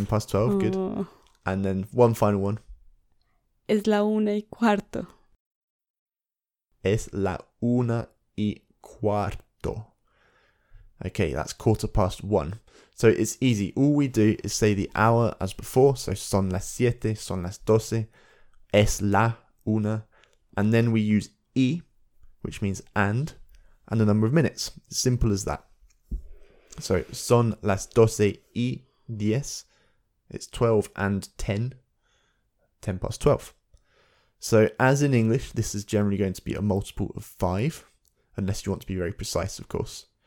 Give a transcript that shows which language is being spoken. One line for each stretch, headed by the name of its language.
English: 10 past 12, good. And then one final one.
Spanish: Es la una y cuarto. Es la una y cuarto.
English: Okay, that's quarter past one. So it's easy. All we do is say the hour as before.
Spanish: So son las siete, son las doce, es la una.
English: And then we use y, which means and the number of minutes. Simple as that. So
Spanish: son las doce y diez.
English: It's 12 and 10. 10 past 12. So as in English, this is generally going to be a multiple of 5, unless you want to be very precise, of course.